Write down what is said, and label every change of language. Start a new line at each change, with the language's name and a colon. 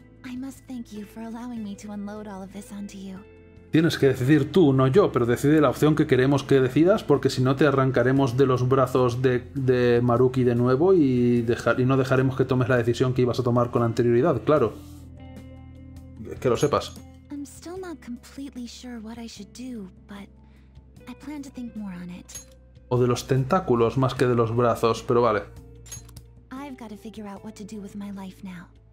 English: I must thank you for allowing me to unload all of this onto you.
Spanish: Tienes que decidir tú, no yo, pero decide la opción que queremos que decidas, porque si no te arrancaremos de los brazos de Maruki de nuevo y no dejaremos que tomes la decisión que ibas a tomar con anterioridad, claro. Que lo sepas.
English: I'm still not completely sure what I should do, but I plan to think more on it.
Spanish: O de los tentáculos más que de los brazos, pero vale.
English: I've got to figure out what to do with my life now.